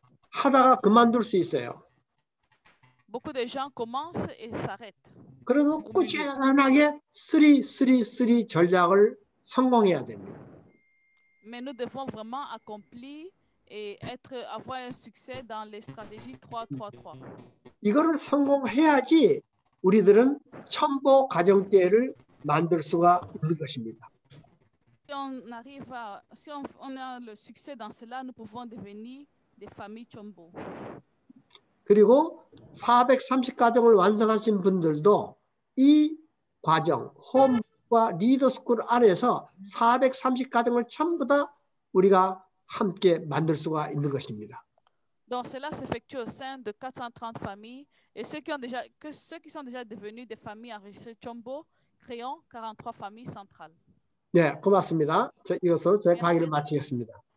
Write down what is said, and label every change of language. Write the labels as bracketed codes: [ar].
[ko] 하다가 그만둘 수 있어요. [fr] Beaucoup de gens commencent et s'arrêtent. [ko] 그래도 꾸준하게 3-3-3 전략을 성공해야 됩니다. [fr] Mais nous devons vraiment accomplir et être avoir un succès dans les stratégies 3-3-3. [ko] 이거를 성공해야지 우리들은 천보 가정대를 만들 수가 있는 것입니다. [fr] Si on arrive à si on a le succès dans cela, nous pouvons devenir des familles Chombo. [ko] 그리고 430 가정을 완성하신 분들도 이 과정 홈과 리더 스쿨 안에서 430 가정을 전부 다 우리가 함께 만들 수가 있는 것입니다. [fr] Donc cela s'effectue au sein de 430 familles et ceux qui ont déjà que ceux qui sont déjà devenus des familles enrichies Chombo créons 43 familles centrales. [ko] 네, 고맙습니다. 이것으로 제 강의를 마치겠습니다.